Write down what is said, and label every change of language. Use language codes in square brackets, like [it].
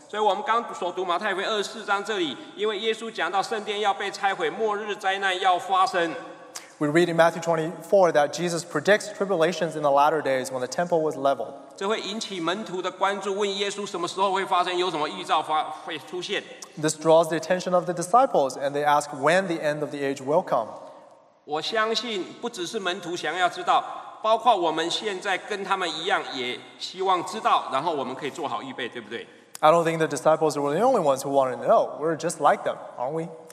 [en] So we just read Matthew 24:4 here, because Jesus talked about the temple being destroyed, the end of the world will happen. We read in Matthew 24 that Jesus predicts tribulations in the latter days when the temple was leveled. This draws the attention of the disciples, and they ask when the end of the age will come. [zh] 我相信不只是门徒想要知道, 包括我们现在跟他们一样也希望知道, 然后我们可以做好预备, 对不对? [en] I don't think the disciples were the only ones who wanted to know. We're just like them, aren't we?